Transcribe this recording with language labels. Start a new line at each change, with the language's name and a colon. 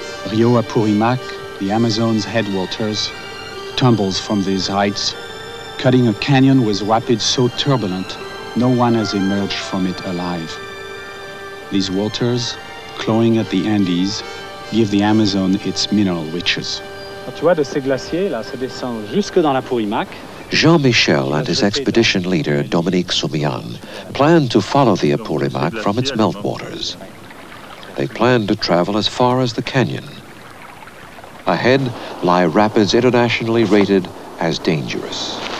English: Rio Apurimac, the Amazon's headwaters, tumbles from these heights, cutting a canyon with rapids so turbulent, no one has emerged from it alive. These waters, clawing at the Andes, give the Amazon its mineral riches.
French: Tu vois, de ces glaciers là, ça descend jusque dans l'Apurimac.
English: Jean Michel and his expedition leader, Dominique Soumian, plan to follow the Apurimac from its meltwaters. They plan to travel as far as the canyon. Ahead lie rapids internationally rated as dangerous.